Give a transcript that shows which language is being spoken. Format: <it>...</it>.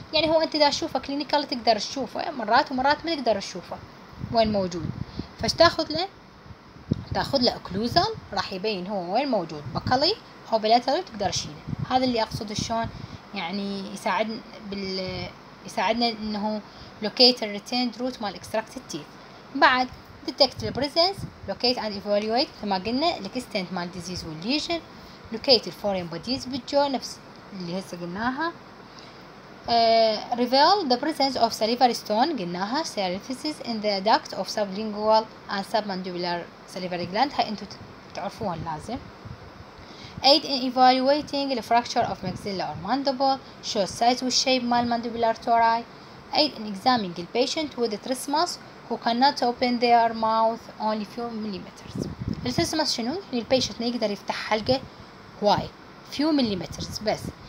<ar>يعني هو انت اذا تشوفه كلينيكال تقدر تشوفه مرات ومرات ما تقدر تشوفه وين موجود، فاش تاخذ له؟ تاخذ له اوكلوزال راح يبين هو وين موجود بوكالي او بليتال تقدر تشيله. هذا اللي اقصد شلون يعني يساعدنا يساعدنا انه</ar> <en>locate and retain root</en> <ar>مال extracted teeth.</ar> <en>بعد detect the presence, locate and evaluate</en> <ar>كما قلنا الاكستنت مال</ar> <en>disease والليجن، locate the foreign bodies</en> <ar>بالجو نفس اللي هسه قلناها،</ar> <en>reveal the presence of salivary stone قلناها salivaries in the duct of sublingual and submandibular salivary gland</en> <ar>هاي انتو تعرفوها لازم،</ar> <en>aid in evaluating the fracture of maxilla or mandible, show size and shape مال mandibular tori. Aid in examining the patient with the trismus who cannot open their mouth only few millimeters.</en> <ar>الترسمس شنو؟ يعني البيشنت ما يقدر يفتح حلقه هواي</ar> <en>few millimeters</en> <ar>بس.</ar>